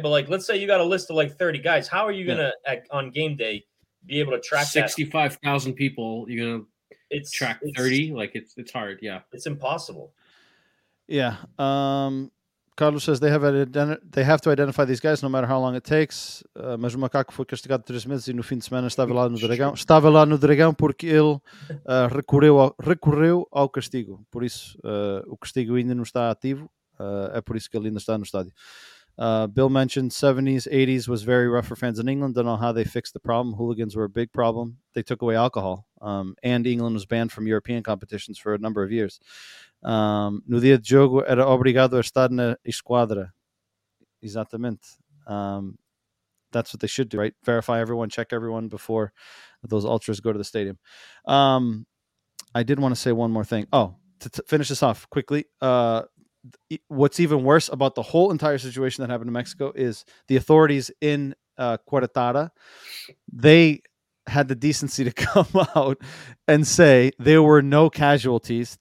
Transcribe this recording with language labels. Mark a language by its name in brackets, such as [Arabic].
[English] But like, let's say you got a list of like 30 guys. How are you gonna on game day? Be able to track 65,000 people. You're gonna track 30. Like it's hard. Yeah, it's impossible. Yeah. Carlos says they have they have to identify these guys no matter how long it takes. [Portuguese] Mas o macaco foi castigado 3 meses e no fim de semana estava lá no dragão. Estava lá no dragão porque ele recorreu ao castigo. Por isso o castigo ainda não está ativo. É por isso que ele ainda está no estádio. [English] Bill mentioned 70s, 80s was very rough for fans in England. Don't know how they fixed the problem. Hooligans were a big problem. They took away alcohol. And England was banned from European competitions for a number of years. [Portuguese] No dia de jogo era obrigado a estar na esquadra. [English] Exatamente. That's what they should do, right? Verify everyone, check everyone before those ultras go to the stadium. I did want to say one more thing. Oh, to finish this off quickly. What's even worse about the whole entire situation that happened in Mexico is the authorities in Querétaro, they had the decency to come out and say there were no casualties.